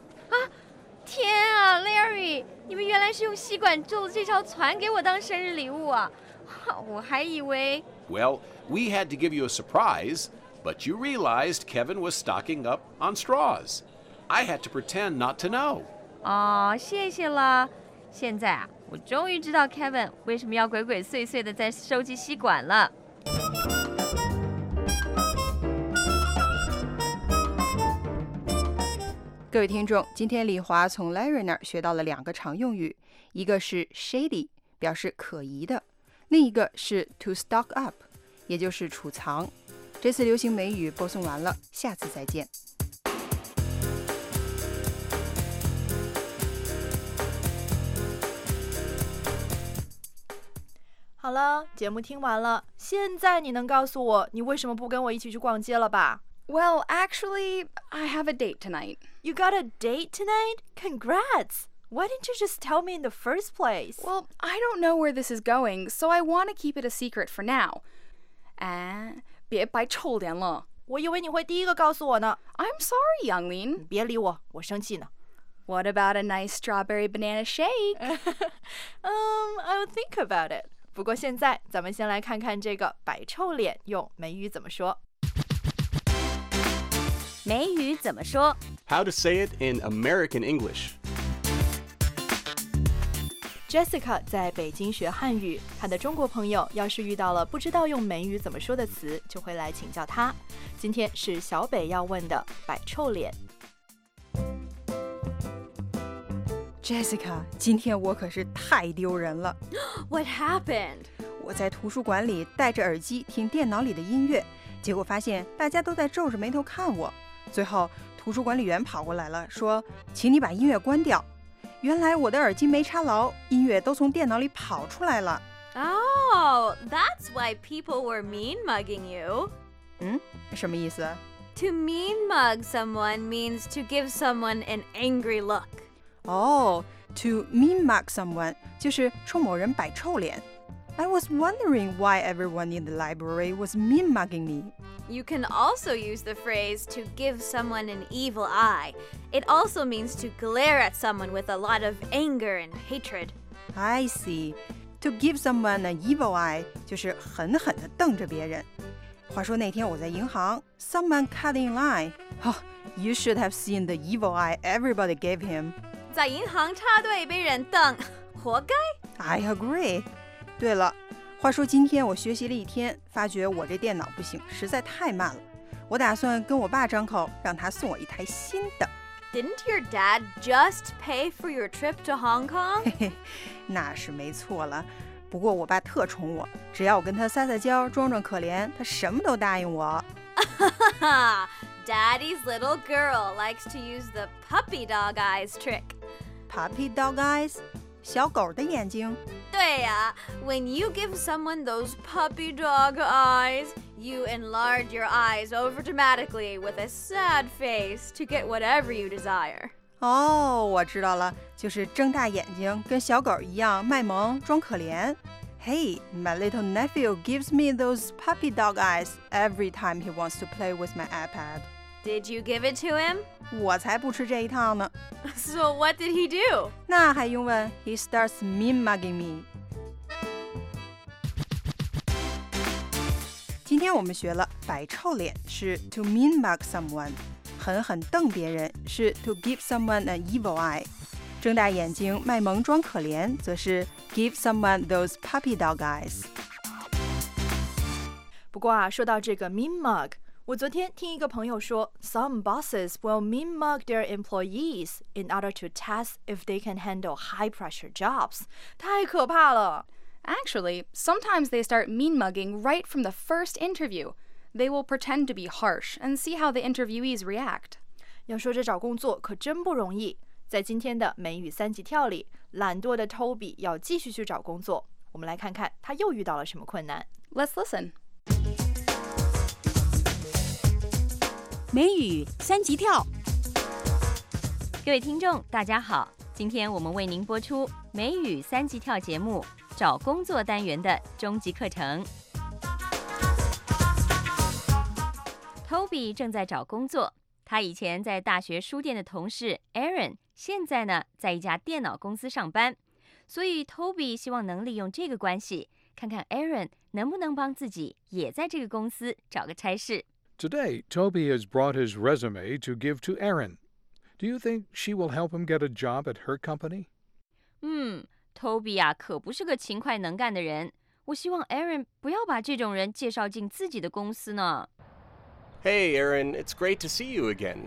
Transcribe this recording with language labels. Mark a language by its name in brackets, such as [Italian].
[Chinese] 啊，天啊 ，Larry， 你们原来是用吸管做了这条船给我当生日礼物啊！我还以为。 [English] Well, we had to give you a surprise, but you realized Kevin was stocking up on straws. I had to pretend not to know. [Chinese] 哦，谢谢了。现在啊，我终于知道 Kevin 为什么要鬼鬼祟祟的在收集吸管了。各位听众，今天李华从 Larry 那儿学到了两个常用语，一个是 shady， 表示可疑的，另一个是 to stock up， 也就是储藏。这次流行美语播送完了，下次再见。好了，节目听完了，现在你能告诉我你为什么不跟我一起去逛街了吧？ [English] Well, actually, I have a date tonight. You got a date tonight? Congrats! Why didn't you just tell me in the first place? Well, I don't know where this is going, so I want to keep it a secret for now. [Chinese] 别白臭脸了。我以为你会第一个告诉我呢。 [English] I'm sorry, Yanglin. [Chinese] 别理我，我生气呢。 [English] What about a nice strawberry banana shake? I'll think about it. [Chinese] 不过现在，咱们先来看看这个白臭脸用美语怎么说。美语怎么说？ [English] How to say it in American English. [Chinese] Jessica 在北京学汉语，她的中国朋友要是遇到了不知道用美语怎么说的词，就会来请教她。今天是小北要问的摆臭脸。 Jessica， 今天我可是太丢人了。 [English] What happened？ [Chinese] 我在图书馆里戴着耳机听电脑里的音乐，结果发现大家都在皱着眉头看我。最后图书管理员跑过来了，说请你把音乐关掉。原来我的耳机没插牢，音乐都从电脑里跑出来了。 [English] Oh, that's why people were mean mugging you. [Chinese] 嗯，什么意思？ [English] To mean mug someone means to give someone an angry look. Oh, to mean mug someone [Chinese] 就是冲某人摆臭脸。 [English] I was wondering why everyone in the library was mean mugging me You can also use the phrase to give someone an evil eye. It also means to glare at someone with a lot of anger and hatred. I see. To give someone an evil eye [Chinese] 就是狠狠地瞪着别人。话说那天我在银行， [English] someone cut in line. Oh, you should have seen the evil eye everybody gave him. [Chinese] 在银行插队被人瞪，活该。 [English] I agree. [Chinese] 对了。话说今天我学习了一天，发觉我这电脑不行，实在太慢了。我打算跟我爸张口，让他送我一台新的。 [English] Didn't your dad just pay for your trip to Hong Kong? [Chinese] 那是没错了。不过我爸特宠我，只要我跟他撒撒娇，装装可怜，他什么都答应我。 [English] Daddy's little girl likes to use the puppy dog eyes trick. Puppy dog eyes? [Chinese] 小狗的眼睛？对呀、啊、 [English] When you give someone those puppy dog eyes, you enlarge your eyes overdramatically with a sad face to get whatever you desire. [Chinese] 哦，我知道了，就是睁大眼睛，跟小狗一样卖萌装可怜。 [English] Hey, my little nephew gives me those puppy dog eyes every time he wants to play with my iPad. Did you give it to him? [Chinese] 我才不吃这一套呢。 [English] So what did he do? [Chinese] 那还用问？ [English] He starts mean mugging me. [Chinese] 今天我们学了摆臭脸是 [English] to mean mug someone， [Chinese] 狠狠瞪别人是 [English] to give someone an evil eye。 [Chinese] 睁大眼睛卖萌装可怜则是 [English] give someone those puppy dog eyes。 [Chinese] 不过啊，说到这个 [English] mean mug， [Chinese] 我昨天听一个朋友说 [English] some bosses will mean mug their employees in order to test if they can handle high pressure jobs， [Chinese] 太可怕了。 [English] Actually, sometimes they start mean mugging right from the first interview. They will pretend to be harsh and see how the interviewees react. [Chinese] 要说这找工作可真不容易，在今天的美语三级跳里，懒惰的 Toby 要继续去找工作。我们来看看他又遇到了什么困难。 Let's listen. 美语三级跳。各位听众，大家好，今天我们为您播出美语三级跳节目找工作单元的终极课程。 Toby 正在找工作，他以前在大学书店的同事 Aaron。现在呢，在一家电脑公司上班，所以 Toby 希望能利用这个关系，看看 Aaron 能不能帮自己也在这个公司找个差事。 [English] Today, Toby has brought his resume to give to Aaron. Do you think she will help him get a job at her company? [Chinese] Toby 啊，可不是个勤快能干的人。我希望 Aaron 不要把这种人介绍进自己的公司呢。 [English] Hey, Aaron, it's great to see you again.